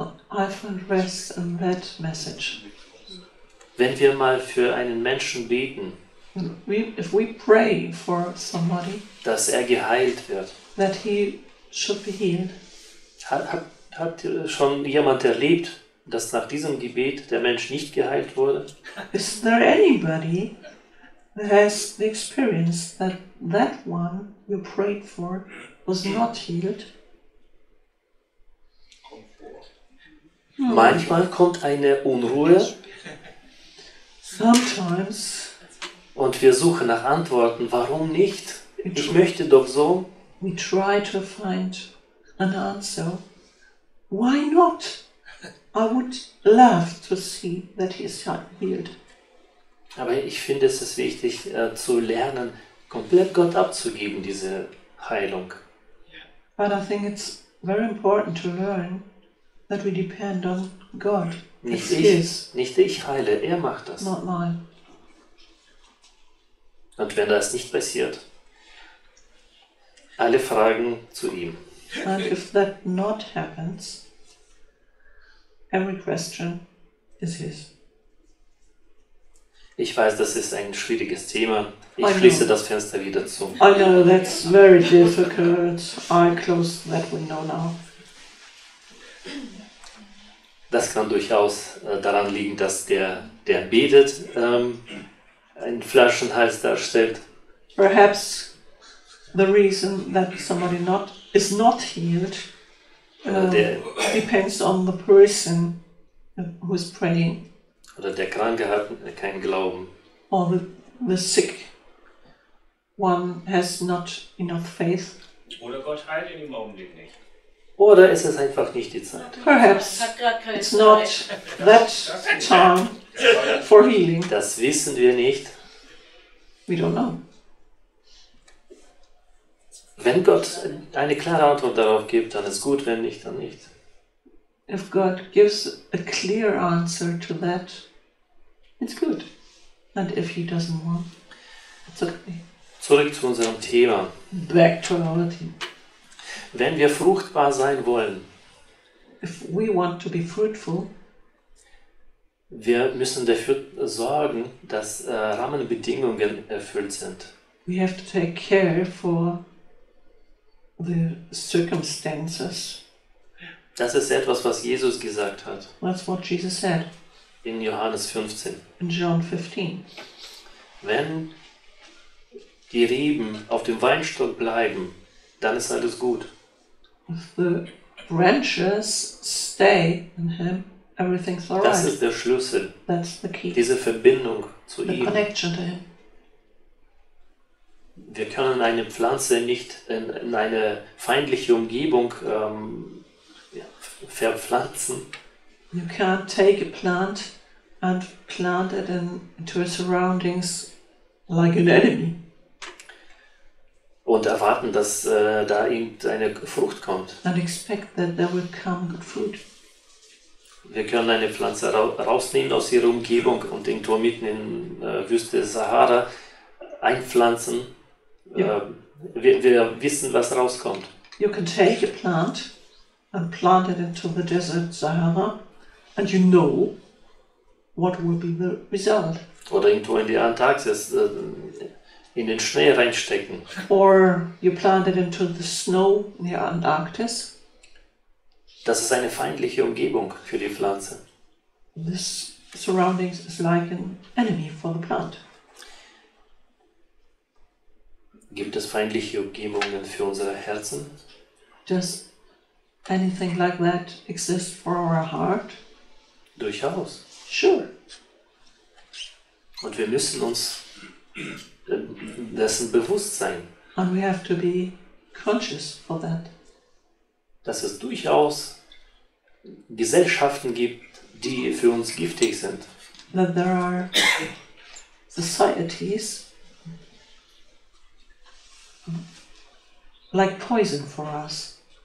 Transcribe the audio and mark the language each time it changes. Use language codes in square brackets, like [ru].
[en] I find rest in that message. [de] Wenn wir mal für einen Menschen beten, [en] if we pray for somebody, [de] dass er geheilt wird, [en] that he should be healed, [de] hat schon jemand erlebt, dass nach diesem Gebet der Mensch nicht geheilt wurde? [en] Is there anybody that has the experience that that one you prayed for was not healed? [de] Manchmal kommt eine Unruhe. [en] Sometimes. [de] Und wir suchen nach Antworten. Warum nicht? Ich möchte doch so. [en] We try to find an answer. Why not? I would love to see that he is healed. [de] Aber ich finde, es ist wichtig zu lernen, komplett Gott abzugeben, diese Heilung. [en] But I think it's very important to learn that we depend on God. [de] Nicht ich heile, er macht das. [en] Not mine. [de] Und wenn das nicht passiert, alle Fragen zu ihm. [en] And if that not happens, every question is his. [de] Ich weiß, das ist ein schwieriges Thema. Ich schließe das Fenster wieder zu. [en] I know that's very difficult. I close that window now. [de] Das kann durchaus daran liegen, dass der betet, einen Flaschenhals darstellt. [en] Perhaps the reason that somebody is not healed depends on the person who is praying. [de] Oder der Kranke hat keinen Glauben. [en] Or the sick one has not enough faith. [de] Oder Gott heilt in dem Augenblick nicht. Oder ist es einfach nicht die Zeit? [en] Perhaps it's not that time for healing. [de] Das wissen wir nicht. [en] We don't know. [de] Wenn Gott eine klare Antwort darauf gibt, dann ist gut, wenn nicht, dann nicht. [en] If God gives a clear answer to that, it's good. And if he doesn't want, it's okay. [de] Zurück zu unserem Thema. [en] Back to our theme. [de] Wenn wir fruchtbar sein wollen, [en] if we want to be fruitful, [de] wir müssen dafür sorgen, dass Rahmenbedingungen erfüllt sind. [en] We have to take care for the circumstances. [de] Das ist etwas, was Jesus gesagt hat. [en] That's what Jesus said. [de] In Johannes 15. [en] In John 15. [de] Wenn die Reben auf dem Weinstock bleiben, dann ist alles gut. [en] If the branches stay in him, everything's all right. [de] Das ist der Schlüssel. [en] That's the key. [de] Diese Verbindung zu [en] the [de] ihm. [en] Connection to him. [de] Wir können eine Pflanze nicht in eine feindliche Umgebung verpflanzen. [en] You can't take a plant and plant it into a surroundings like an enemy. [de] Und erwarten, dass da irgendeine Frucht kommt. [en] And expect that there will come good fruit. [de] Wir können eine Pflanze rausnehmen aus ihrer Umgebung und irgendwo mitten in Wüste Sahara einpflanzen. Wir wissen, was rauskommt. [en] You can take a plant and plant it into the desert Sahara and you know what will be the result. [de] Oder irgendwo in die Antarktis in den Schnee reinstecken. [en] Or you plant it into the snow in the Antarctic. [de] Das ist eine feindliche Umgebung für die Pflanze. [en] This surroundings is like an enemy for the plant. [de] Gibt es feindliche Umgebungen für unsere Herzen? [en] Does anything like that exist for our heart? [de] Durchaus. [en] Sure. [de] Und wir müssen uns dessen bewusst sein. [en] And we have to be conscious for that. [de] Dass es durchaus Gesellschaften gibt, die für uns giftig sind. [en] That there are societies like poison for us.